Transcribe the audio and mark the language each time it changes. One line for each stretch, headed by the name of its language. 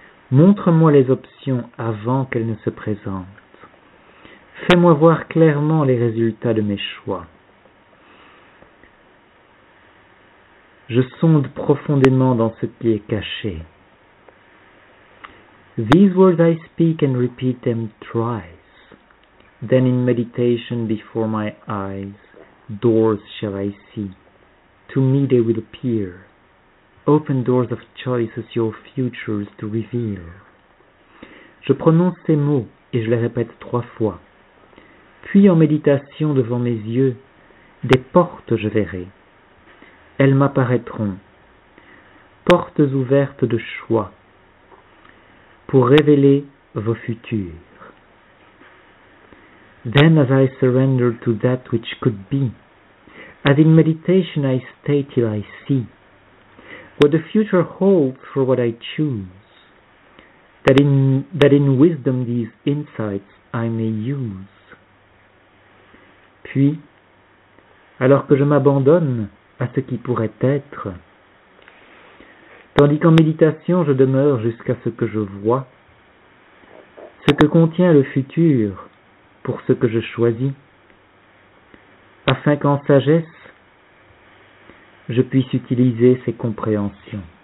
French: Montre-moi les options avant qu'elles ne se présentent. Fais-moi voir clairement les résultats de mes choix. Je sonde profondément dans ce qui est caché.
English: These words I speak and repeat them thrice. Then in meditation before my eyes, doors shall I see. To me they will appear. Open doors of choices your futures to reveal.
French: Je prononce ces mots et je les répète trois fois. Puis en méditation devant mes yeux, des portes je verrai. Elles m'apparaîtront. Portes ouvertes de choix pour révéler vos futurs.
English: Then as I surrender to that which could be, as in meditation I stay till I see. What the future holds for what I choose, that in wisdom these insights I may use.
French: Puis, alors que je m'abandonne à ce qui pourrait être, tandis qu'en méditation je demeure jusqu'à ce que je vois, ce que contient le futur pour ce que je choisis, afin qu'en sagesse, je puisse utiliser ces compréhensions.